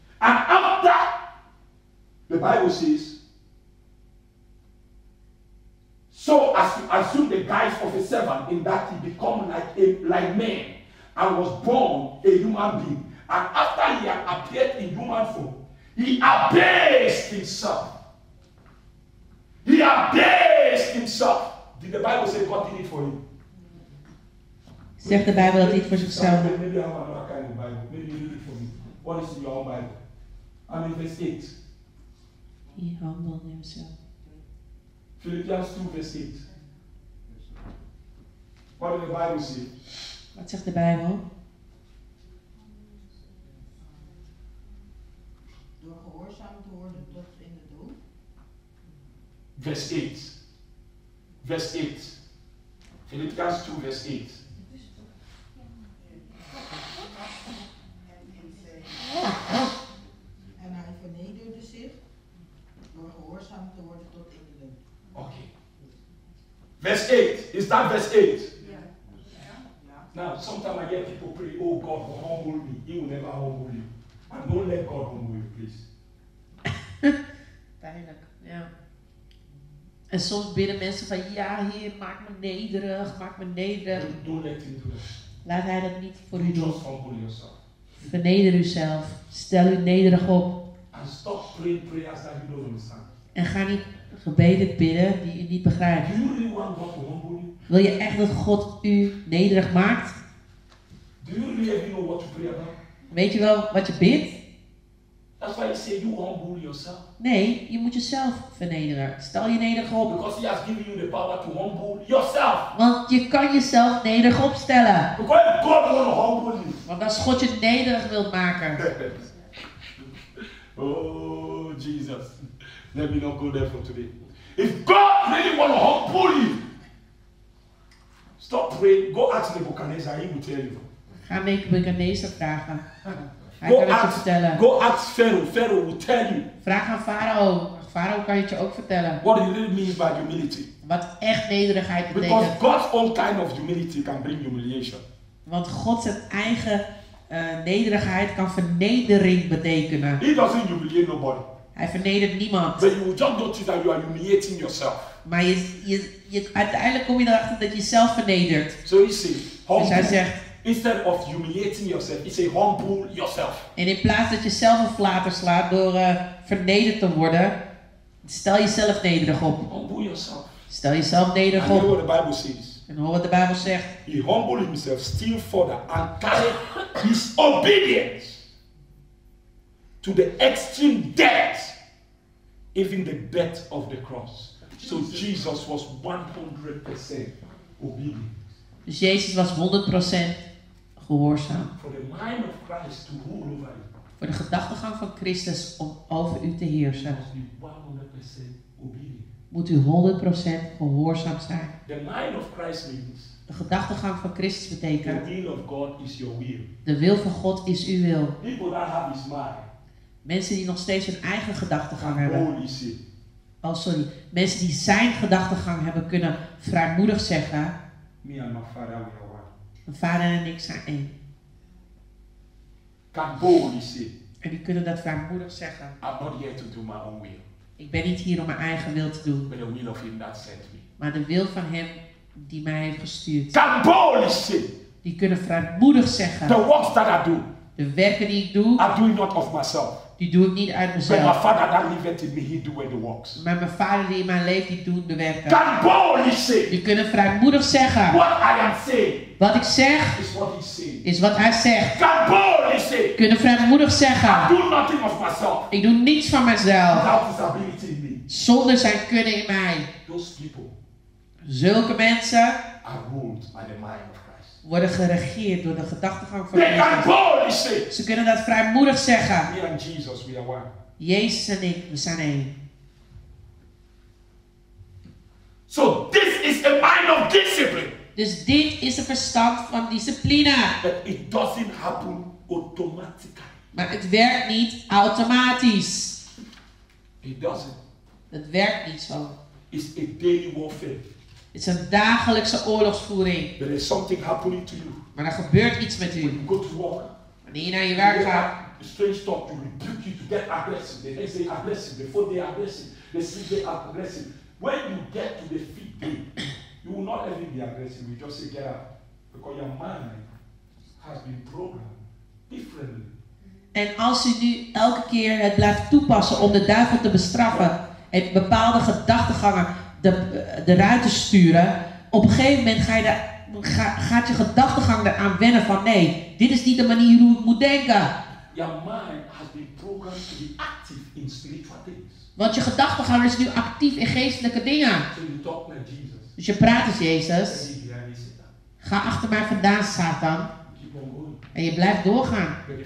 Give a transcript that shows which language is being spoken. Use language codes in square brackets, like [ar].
[en] And after, the Bible says, so as to assume the guise of a servant, in that he become like a like man, and was born a human being. And after he had appeared in human form, he abased himself. He abased himself. Did the Bible say God did it for him? [nl] Zegt de Bijbel dat hij het voor zichzelf doet? [en] Maybe I have another kind of Bible. Maybe you read it for me. What is in your own Bible? I'm in verse 8. He humbled himself. Philippians 2, verse 8. What does the Bible say? [nl] Wat zegt de Bijbel? Door gehoorzaam te worden tot in de dood. [en] Verse 8. Verse 8. Philippians 2, verse 8. [nl] En hij vernederde zich door gehoorzaam te worden tot in de dood. Oké. Vers 8. Is dat vers 8? [en] Now, sometimes I get people pray, oh God, humble me. He will never humble you. And don't let God humble you, please. [nl] Pijnlijk, ja. En soms bidden mensen van, ja, Heer, maak me nederig, maak me nederig. [en] Don't let him do that. [nl] Laat hij dat niet voor u doen. [en] Just humble yourself. [nl] Verneder uzelf. Stel u nederig op. [en] And stop praying prayers that you don't understand. [nl] En ga niet gebeden bidden die u niet begrijpt. [en] You really want God to humble you? [nl] Wil je echt dat God u nederig maakt? [en] Do you really know what to pray about? [nl] Weet je wel wat je bidt? [en] That's why you say you humble yourself. [nl] Nee, je moet jezelf vernederen. Stel je nederig op. [en] Because he has given you the power to humble yourself. [nl] Want je kan jezelf nederig opstellen. [en] Because God will humble you. [nl] Want als God je nederig wilt maken. [en] Oh, Jesus. Let me not go there for today. If God really wants to humble you. Stop praying. Go ask Nebuchadnezzar. He will tell you. [nl] Ga Nebuchadnezzar vragen. Hij kan het je vertellen. [en] Go ask Pharaoh. Pharaoh will tell you. [nl] Vraag aan Farao. Farao kan het je ook vertellen. [en] What do you really mean by humility? [nl] Wat echt nederigheid betekent. [en] Because God's own kind of humility can bring humiliation. [nl] Want God's eigen nederigheid kan vernedering betekenen. [en] He doesn't humiliate nobody. [nl] Hij vernedert niemand. [en] But you will just notice that you are humiliating yourself. [nl] Maar je, uiteindelijk kom je erachter dat je jezelf vernedert. [en] So you see, [nl] dus hij zegt. [en] Instead of humiliating yourself, you say humble yourself. [nl] En in plaats dat je zelf een flater slaat door vernederd te worden, stel jezelf nederig op. [en] Humble yourself. [nl] Stel jezelf nederig [en] and [nl] op. [en] And hear what the Bible says. [nl] En hoor wat de Bijbel zegt. [en] He humbled himself still further and carried his obedience to the extreme death, even the death of the cross. So Jesus was 100% obedient. [nl] Dus Jezus was 100% gehoorzaam. [en] For the mind of Christ to rule over you. [nl] Voor de gedachtegang van Christus om over u te heersen. [en] He must be 100% obedient. [nl] Moet u 100% gehoorzaam zijn. [en] The mind of Christ means. [nl] De gedachtegang van Christus betekent. [en] The will of God is your will. [nl] De wil van God is uw wil. [en] People that have his mind. [nl] Mensen die nog steeds hun eigen gedachtegang hebben. [en] Holy sin. Oh, sorry. [nl] Mensen die zijn gedachtegang hebben kunnen vrijmoedig zeggen. [en] Me and my father, we are one. [nl] Mijn vader en ik zijn één. [en] Can boldly say. [nl] En die kunnen dat vrijmoedig zeggen. [en] I'm not here to do my own will. [nl] Ik ben niet hier om mijn eigen wil te doen. [en] But the will of him that sent me. [nl] Maar de wil van hem die mij heeft gestuurd. [en] Can boldly say. [nl] Die kunnen vrijmoedig zeggen. [en] The works that I do. [nl] De werken die ik doe. [en] I do it not of myself. [nl] Die doe ik niet uit mezelf. [en] But my father that lived in me, he do the works. [nl] Maar mijn vader die in mijn leven die doet de werken. [en] Can boldly say. [nl] Je kunt vrijmoedig zeggen. [en] What I am saying. [nl] Wat ik zeg. [en] Is what he say. [nl] Is wat hij zegt. [en] Can boldly say. [nl] Kunnen vrijmoedig zeggen. [en] I do nothing of myself. [nl] Ik doe niets van mezelf. [en] Without his ability in me. [nl] Zonder zijn kunnen in mij. [en] Those people. [nl] Zulke mensen. [en] Are ruled by the mind of Christ. [nl] Worden geregeerd door de gedachtegang van [en] Jezus. Can boldly say. [nl] Ze kunnen dat vrijmoedig zeggen. [en] Me and Jesus, we are one. [nl] Jezus en ik, we zijn één. [en] So this is a mind of discipline. [nl] Dus dit is een verstand van discipline. [en] But it doesn't happen automatically. [nl] Maar het werkt niet automatisch. [en] It doesn't. [nl] Het werkt niet zo. [en] It's a daily warfare. It's a [nl] dagelijkse oorlogsvoering. [en] There is something happening to you. [nl] Maar er gebeurt iets met u. [en] When you go to work, [nl] wanneer je naar je werk gaat. [en] The strange talk to rebuke you to get aggressive. They say aggressive before they aggressive. They say they aggressive. When you get to the fifth day, you will not even be aggressive. You just say get up, because your mind has been programmed differently. [nl] En als u nu elke keer het blijft toepassen om de duivel te bestraffen en bepaalde gedachtegangen de ruimte sturen, op een gegeven moment gaat je gedachtegang eraan wennen van nee, dit is niet de manier hoe ik moet denken. [en] Your mind has been programmed to be active in spiritual things. [nl] Want je gedachtegang is nu actief in geestelijke dingen. [en] So you talk with Jesus. [nl] Dus je praat met Jezus. Ga achter mij vandaan, Satan. En je blijft doorgaan.